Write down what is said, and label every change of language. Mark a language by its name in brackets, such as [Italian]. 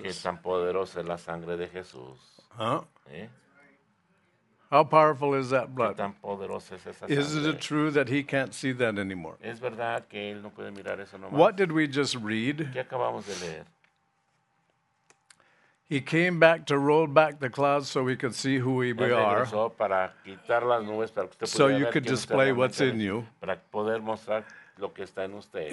[Spanish] Que tan poderosa es la sangre de Jesús. [English] Huh? How powerful is that blood? [Spanish] Que tan poderosa es esa sangre. [English] Is it true that he can't see that anymore? [Spanish] Es verdad que él no puede mirar eso nomás. [English] What did we just read? [Spanish] ¿Qué acabamos de leer? [English] He came back to roll back the clouds so we could see who we are. [Spanish] Para quitar las nubes para que usted [English] so you [Spanish] ver [English] could display what's in you. [Spanish] Para poder mostrar lo que está en usted.